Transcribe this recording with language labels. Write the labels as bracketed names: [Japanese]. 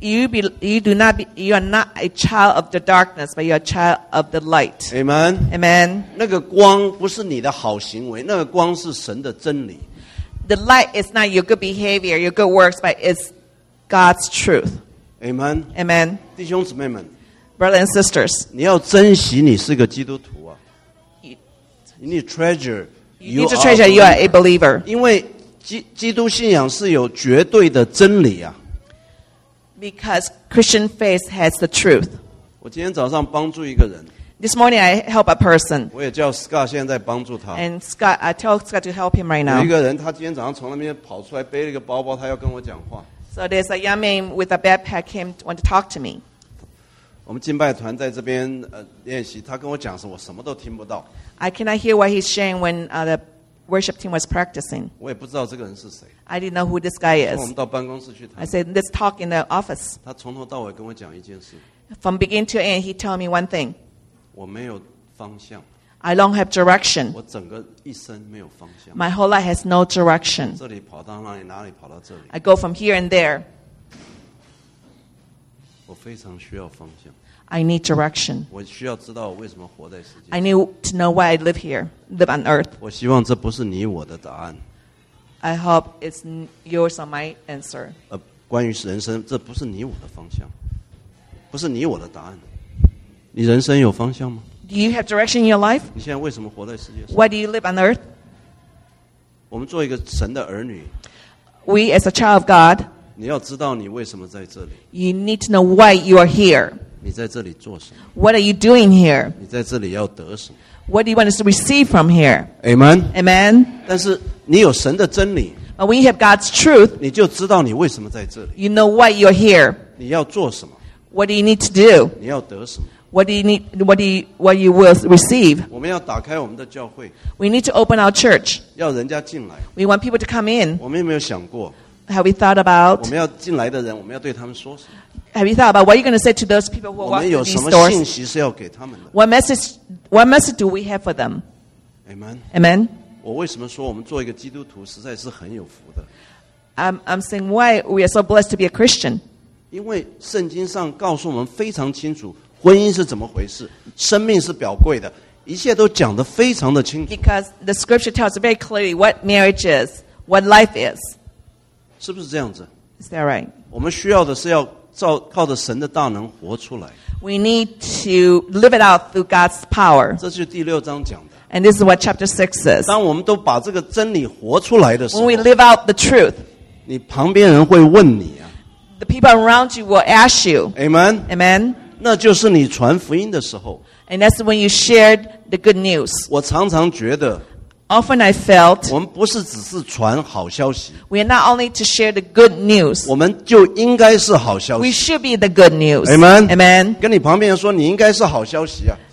[English] You are not a child of the darkness, but you are a child of the light. Amen. Amen. [Chinese] 那个光不是你的好行为，那个光是神的真理。 [English] The light is not your good behavior, your good works, but it's God's truth. Amen. Amen. [Chinese] 弟兄姊妹们， [English] brothers and sisters, [Chinese] 你要珍惜你是个基督徒啊。 [English] You need treasure. You need to treasure. You are a believer. [Chinese] 因为基督信仰是有绝对的真理啊。 [English] Because Christian faith has the truth. [Chinese] 我今天早上帮助一个人。 [English] This morning I help a person. [Chinese] 我也叫 Scott 现在在帮助他。 [English] And Scott, I tell Scott to help him right now. [Chinese] 有一个人，他今天早上从那边跑出来，背了一个包包，他要跟我讲话。 [English] So there's a young man with a backpack came to want to talk to me. [Chinese] 我们敬拜团在这边练习，他跟我讲什么，我什么都听不到。 [English] I cannot hear what he's saying when the worship team was practicing. [Chinese] 我也不知道这个人是谁。 [English] I didn't know who this guy is. [Chinese] 我们到办公室去谈。 [English] I said, let's talk in the office. [Chinese] 他从头到尾跟我讲一件事。 [English] From beginning to end, he told me one thing. [Chinese] 我没有方向。 [English] I don't have direction. [Chinese] 我整个一生没有方向。 [English] My whole life has no direction. [Chinese] 这里跑到哪里，哪里跑到这里。 [English] I go from here and there. [Chinese] 我非常需要方向。 [English] I need direction. [Chinese] 我需要知道我为什么活在世界。 [English] I need to know why I live here, live on earth. [Chinese] 我希望这不是你我的答案。 [English] I hope it's yours or my answer. [Chinese] 关于人生，这不是你我的方向，不是你我的答案。你人生有方向吗？ [English] Do you have direction in your life? [Chinese] 你现在为什么活在世界上？ [English] Why do you live on earth? [Chinese] 我们做一个神的儿女。 [English] We as a child of God. [Chinese] 你要知道你为什么在这里。 [English] You need to know why you are here. [Chinese] 你在这里做什么？ [English] What are you doing here? [Chinese] 你在这里要得什么？ [English] What do you want us to receive from here? Amen. Amen. [Chinese] 但是你有神的真理。 [English] But when you have God's truth, [Chinese] 你就知道你为什么在这里。 [English] You know why you're here. [Chinese] 你要做什么？ [English] What do you need to do? [Chinese] 你要得什么？ [English] What do you need? What you will receive? [Chinese] 我们要打开我们的教会。 [English] We need to open our church. [Chinese] 要人家进来。 [English] We want people to come in. [Chinese] 我们有没有想过？ [English] Have we thought about? [Chinese] 我们要进来的人，我们要对他们说什么？ [English] Have you thought about what you're going to say to those people who are walking through these doors? [Chinese] 我们有什么信息是要给他们的？ [English] What message do we have for them? Amen. Amen. [Chinese] 我为什么说我们做一个基督徒实在是很有福的？ [English] I'm saying why we are so blessed to be a Christian. [Chinese] 因为圣经上告诉我们非常清楚，婚姻是怎么回事，生命是宝贵的，一切都讲得非常的清楚。 [English] Because the scripture tells very clearly what marriage is, what life is. [Chinese] 是不是这样子？ [English] Is that right? [Chinese] 我们需要的是要靠着神的大能活出来。 [English] We need to live it out through God's power. [Chinese] 这是第六章讲的。 [English] And this is what chapter 6 says. [Chinese] 当我们都把这个真理活出来的时候， [English] When we live out the truth, [Chinese] 你旁边人会问你啊。 [English] The people around you will ask you. Amen. Amen. [Chinese] 那就是你传福音的时候。 [English] And that's when you shared the good news. [Chinese] 我常常觉得。 [English] Often I felt. [Chinese] 我们不是只是传好消息。 [English] We are not only to share the good news. [Chinese] 我们就应该是好消息。 [English] We should be the good news. Amen. Amen. [Chinese] 跟你旁边人说，你应该是好消息啊。